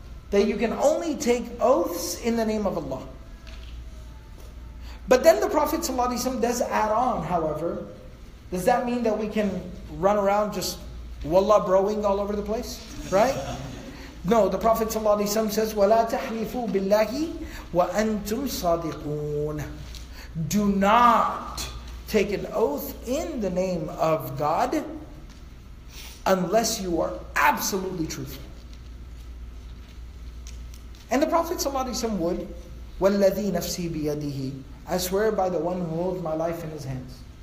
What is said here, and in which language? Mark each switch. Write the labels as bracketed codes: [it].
[en] That you can only take oaths in the name of Allah." But then the Prophet ﷺ does add on, however, does that mean that we can run around just Wallah broing all over the place, right? No, the Prophet ﷺ says, [ar] وَلَا تَحْلِفُوا بِاللَّهِ وَأَنْتُمْ صَادِقُونَ. [en] Do not take an oath in the name of God unless you are absolutely truthful. And the Prophet ﷺ would, [ar] وَالَّذِي نَفْسِي بِيَدِهِ, [en] I swear by the one who holds my life in his hands.